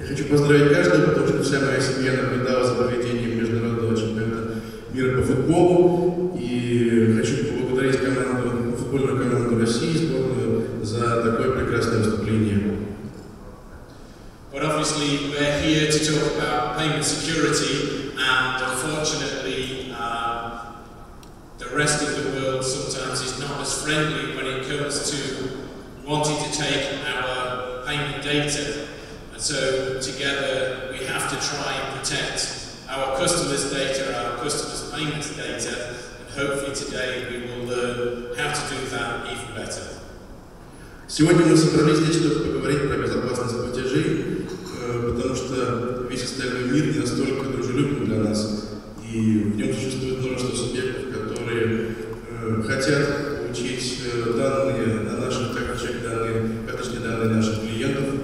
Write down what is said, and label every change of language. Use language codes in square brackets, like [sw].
[ru] Поздравить каждого, потому что вся моя семья наблюдала за проведением международного чемпионата мира по футболу. И хочу поблагодарить команду, футбольную команду России, сборную, за такое прекрасное выступление. [en] But obviously we're here to talk about payment security, and unfortunately the rest of the world sometimes is not as friendly when it comes to wanting to take our payment data. So together we have to try and protect our customers' data, our customers' payments data, and hopefully today we will learn how to do that even better. [ru] Сегодня мы собрались здесь, чтобы поговорить про безопасность платежей, потому что весь остальной мир не настолько дружелюбен для нас, и в нем существует множество субъектов, которые хотят получить данные на наших карточных данные, карточные данные наших клиентов.